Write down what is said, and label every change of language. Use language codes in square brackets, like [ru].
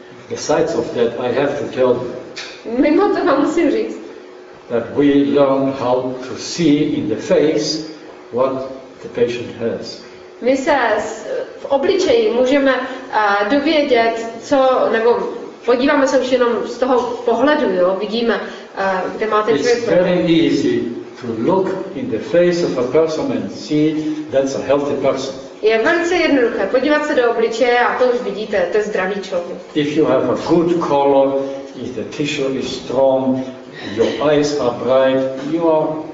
[en] Besides of that, I have to tell you. [cs] Mimo to vám musím říct. [en] That we learn how to see in the face what the patient has. [cs] My se v obličeji můžeme dovědět, co, nebo podíváme se už jenom z toho pohledu, jo, vidíme, kde máte člověk. [en] It's very easy to look in the face of a person and see that's a healthy person. [cs] Je velice jednoduché podívat se do obličeje a to už vidíte, to je zdravý člověk. [en] If you have a good color, if the tissue is strong, your eyes are bright, you are